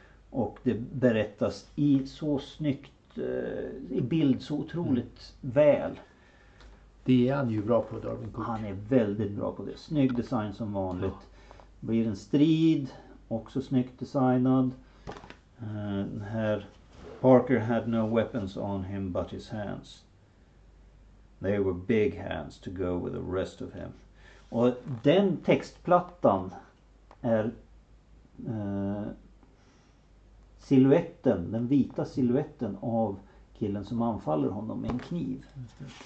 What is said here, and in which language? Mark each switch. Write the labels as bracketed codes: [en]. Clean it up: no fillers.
[sv] Och det berättas i så snyggt, i bild så otroligt väl. Det är han ju bra på, Darwin Cook. Han är väldigt bra på det. Snygg design som vanligt. Blir en strid, också snyggt designad. Här, [en] Parker had no weapons on him but his hands. They were big hands to go with the rest of him. [sv] Och den textplattan är silhuetten, den vita silhuetten av killen som anfaller honom med en kniv. Just det.